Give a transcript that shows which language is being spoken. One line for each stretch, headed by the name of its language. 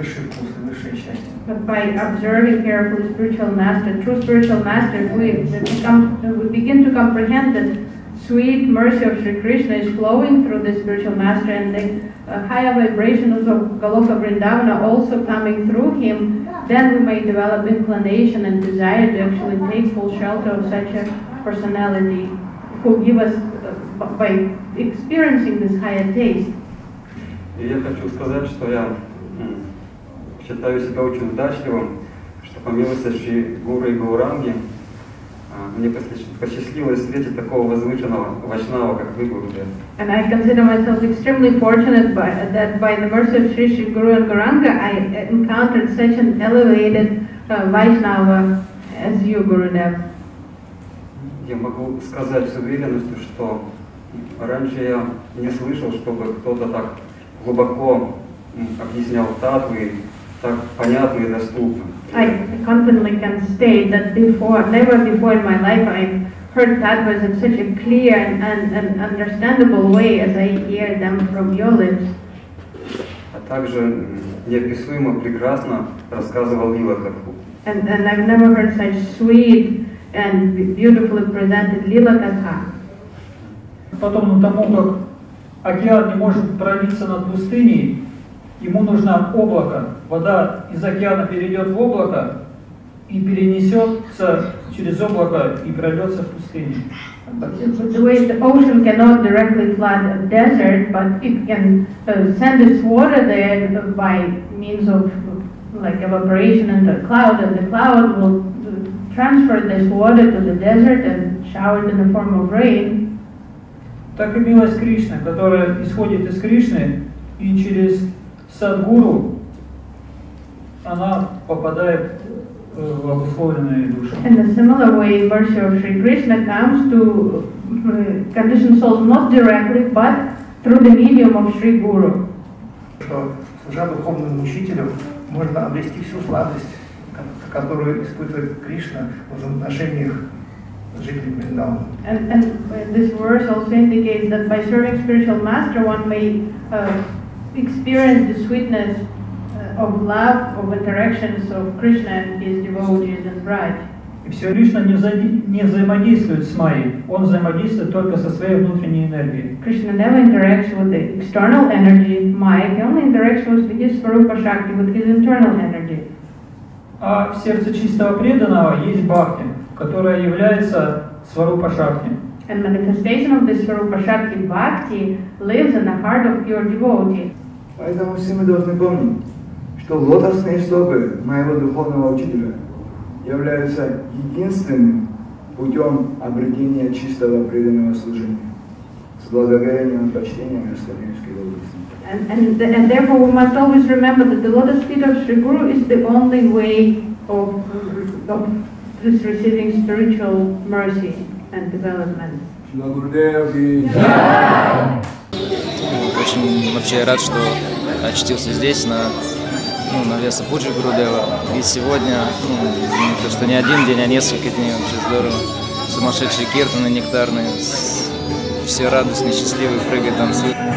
English: By observing carefully spiritual master, true spiritual master, we begin to comprehend that sweet mercy of Sri Krishna is flowing through the spiritual master, and the higher vibrations of Goloka Vrindavana also coming through him. Then we may develop inclination and desire to actually take full shelter of such a personality who give us by experiencing this higher taste.
Russian: Я хочу сказать, что я считаю себя очень удачливым, что по милости Шри Гуру и Гауранги мне посчастливилось встретить такого возвышенного вайшнава, как вы, Гурудев.
English: And I consider myself extremely fortunate that by the mercy of Sri Shri Guru and Gauranga I encountered such an elevated vaishnava as you, Gurudev.
Russian: Я могу сказать с уверенностью, что раньше я не слышал, чтобы кто-то так глубоко объяснял татвы, так понятно и доступно.
English: I confidently can state that never before in my life I heard tattvas in such a clear and understandable way as I hear them from your lips.
Russian: От также неописуемо прекрасно рассказывал Лила Катху.
English: And I've never heard such sweet and beautifully presented Лила Катха.
Russian: Потом на тому, как океан не может пролиться над пустыней, ему нужно облако. Вода из океана перейдет в облако и перенесется через облако и прольется в пустыне.
English: The way the ocean cannot directly flood a desert, but it can send its water there by means of like evaporation in the cloud, and the cloud will transfer this water to the desert and shower it in the form of rain.
Russian: Так и милость Кришны, которая исходит из Кришны, и через Садгуру она попадает в обусловленные души.
English: In a similar way, mercy of Sri Krishna comes to conditioned souls not directly, but through the medium of Sri Guru.
Russian: Что, служа духовным учителем, можно обрести всю сладость, которую испытывает Кришна в отношениях
English: And this verse also indicates that by serving spiritual master, one may experience the sweetness of love, of interactions of Krishna and his devotees and bride.
Russian: И все Кришна не взаимодействует с Майей, он взаимодействует только со своей внутренней энергией.
English: Krishna never interacts with the external energy Майя, he only interacts with his Swarupa Shakti, with his internal energy.
Russian: А в сердце чистого преданного есть Бхакти. Которая является Сварупа Шакти.
English: And manifestation of the Сварупа Шакти Бхакти lives in the heart of your devotee.
Russian: Поэтому все мы должны помнить, что лотосные стопы моего духовного учителя являются единственным путем обретения чистого преданного служения с благоговением и почтением Господинской области. And therefore we must always remember that the lotus feet of Sri Guru is the only way of this receiving spiritual mercy and development. Очень вообще рад, что очутился здесь на на Вьясапуджи Гурудева. И сегодня, то, что не один день, а несколько дней, вообще здорово. Сумасшедшие киртаны нектарные. Все радостные, счастливые, прыгают, танцуют.